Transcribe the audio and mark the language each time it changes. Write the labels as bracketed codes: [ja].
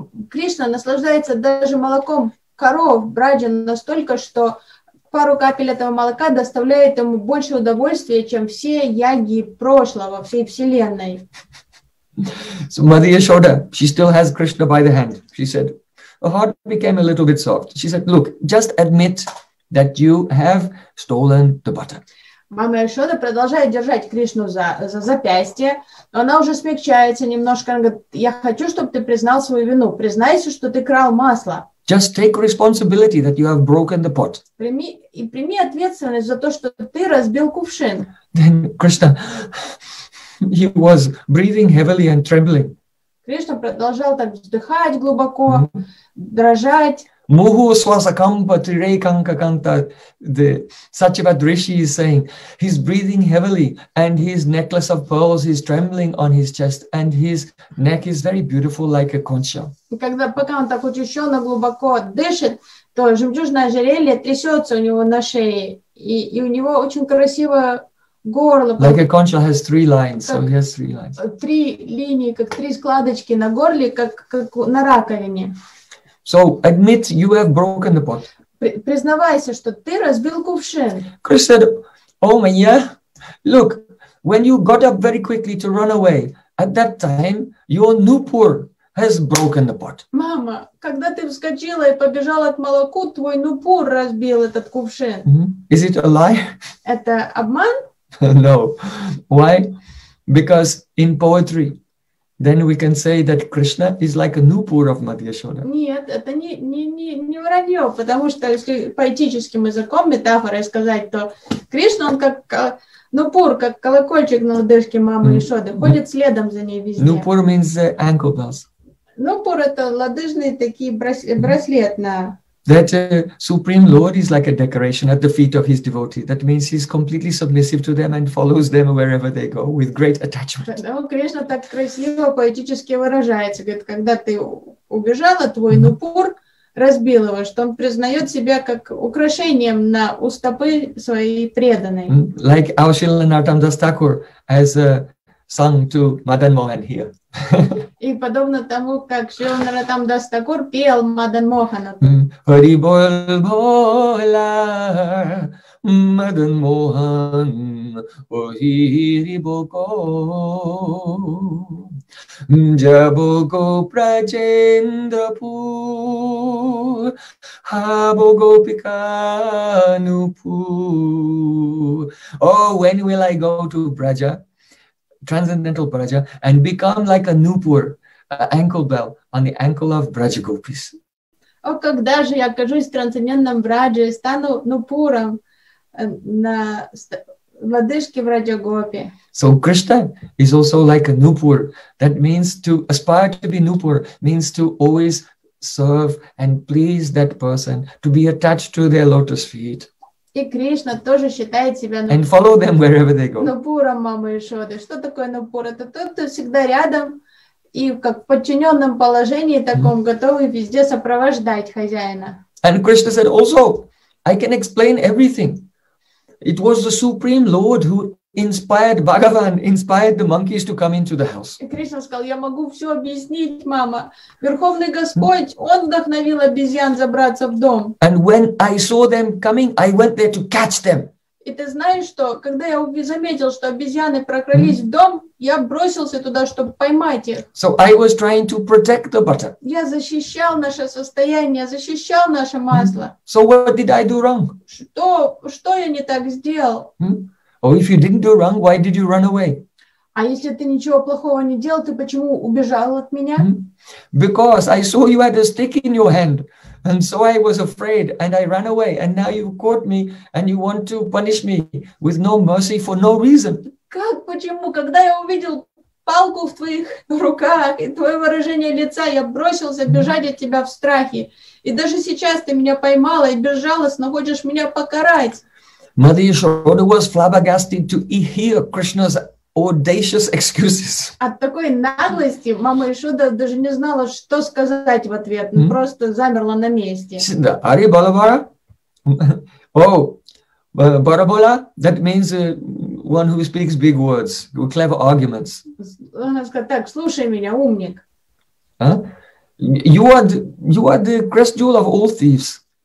[ru] Кришна наслаждается даже молоком коров Браджа настолько, что пару капель этого молока доставляет ему больше удовольствия, чем все яги прошлого, всей вселенной. [en] So Mother Yashoda, she still has Krishna by the hand. She said, her heart became a little bit soft. She said, look, just admit that you have stolen the butter. [ru] Мама Яшода продолжает держать Кришну за запястье, но она уже смягчается немножко. Она говорит, я хочу, чтобы ты признал свою вину. Признайся, что ты крал масло. [en] Just take responsibility that you have broken the pot. [ru] Прими ответственность за то, что ты разбил кувшин. [en] Then Krishna, he was breathing heavily and trembling. [ru] Кришна продолжал так вздыхать глубоко, дрожать. Муху свасакампа трирейканка канта. [en] The Satyavad Rishi is saying, he's breathing heavily and his necklace of pearls is trembling on his chest and his neck is very beautiful like a conch shell. [ru] Когда пока он так учащенно глубоко дышит, то жемчужное ожерелье трясется у него на шее и у него очень красиво горло. [en] Like a conch shell has three lines, so he has three lines. [ru] Три линии, как три складочки на горле, как на раковине. [en] So admit you have broken the pot. [ru] Признавайся, что ты разбил кувшин. [en] Krishna said, oh my, yeah. Look, when you got up very quickly to run away, at that time your Nupur has broken the pot. [ru] Мама, когда ты вскочила и побежала к молоку, твой Нупур разбил этот кувшин. [en] Mm-hmm. Is it a lie? [ru] Это обман? [en] No. Why? Because in poetry, Then we can say that Krishna is like a Nupur of Madhya Yashoda. [ru] Нет, это не вранье, потому что если поэтическим языком метафорой сказать, то Кришна, он как Нупур, как колокольчик на лодыжке мамы Яшоды, ходит следом за ней везде. [en] Нупур means ankle bells. [ru] Нупур — это лодыжный такие браслет на... [en] That Supreme Lord is like a decoration at the feet of his devotee. That means he's completely submissive to them and follows them wherever they go with great attachment. [ru] Кришна так красиво поэтически выражается. Говорит, когда ты убежала, твой нупур разбил его, что он признает себя как украшением на устопы своей преданной. [en] Like Aushila Nartamdas Thakur has sung to Madan Mohan here. [ru] И подобно тому, как Шри Нарадамдас Тхакур пел Мадан Мохану. Хари бол бола Мадан Мохан, о хири боко, джабого прачендра пур, хабого пикану пур. [en] Oh, when will I go to Braja? Transcendental Braja, and become like a Nupur, an ankle bell on the ankle of Braja Gopis. [ru] Oh, когда же я окажусь в трансцендентном Брадже и стану Нупуром на лодыжке Браджа Гопи. [en] So Krishna is also like a Nupur. That means to aspire to be Nupur means to always serve and please that person, to be attached to their lotus feet. [ru] И Кришна тоже считает себя [en] and follow them wherever they go. [ru] Нупуром мамы Яшоды. Что такое Нупур? Это тот, кто всегда рядом и как в подчиненном положении таком, готовый везде сопровождать хозяина. [en] And Krishna said, also, I can explain everything. It was the Supreme Lord who inspired Bhagavan, inspired the monkeys to come into the house. [ru] И Кришна сказал, я могу все объяснить, мама. Верховный Господь, он вдохновил обезьян забраться в дом. [en] And when I saw them coming, I went there to catch them. [ru] И ты знаешь, что когда я заметил, что обезьяны прокрались в дом, я бросился туда, чтобы поймать их. [en] So I was trying to protect the butter. [ru] Я защищал наше состояние, защищал наше масло. [en] So what did I do wrong? [ru] Что я не так сделал? [en] Oh, if you didn't do wrong, why did you run away? [ru] А если ты ничего плохого не делал, ты почему убежал от меня? [en] Because I saw you had a stick in your hand, and so I was afraid, and I ran away, and now you caught me, and you want to punish me with no mercy for no reason. [ru] Как, почему? Когда я увидел палку в твоих руках и твое выражение лица, я бросился бежать от тебя в страхе. И даже сейчас ты меня поймала и безжалостно хочешь меня покарать. [en] Mother Yashoda was flabbergasted to hear Krishna's audacious excuses. [ru] От такой наглости мама Яшода даже не знала, что сказать в ответ. Просто замерла на месте. Ари Балабара? Oh, Барабола? [en] That means one who speaks big words, clever arguments. [ru] Она сказала, так, слушай меня, умник. [en] You are the crest jewel of all thieves.